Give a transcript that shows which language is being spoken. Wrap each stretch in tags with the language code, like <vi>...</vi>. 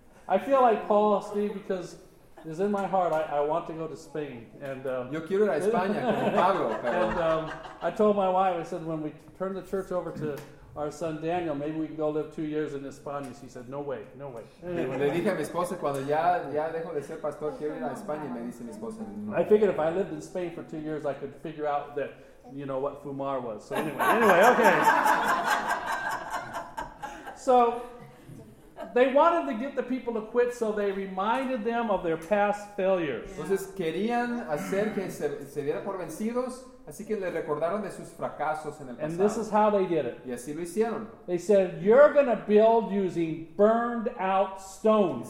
<en>I feel like Paul, Steve, because it's in my heart, I want to go to Spain. And,</en> <es>yo quiero ir a España, como Pablo.</es> <en>And I told my wife, I said, when we turn the church over to our son Daniel, maybe we can go live 2 years in España. She said, no way.</en> <es>Le dije a mi esposa, cuando ya dejo de ser pastor, quiero ir a España, me dice mi esposa.</es> <en>I figured if I lived in Spain for 2 years, I could figure out that, you know, what Fumar was. So anyway, okay. So... they wanted to get the people to quit, so they reminded them of their past failures.</en> <es>Entonces querían hacer que se diera por vencidos, así que le recordaron de sus fracasos en el pasado.</es> <en>And this is how they did it.</en> <es>Y así lo hicieron.</es> <en>They said, "You're going to build using burned-out stones."</en>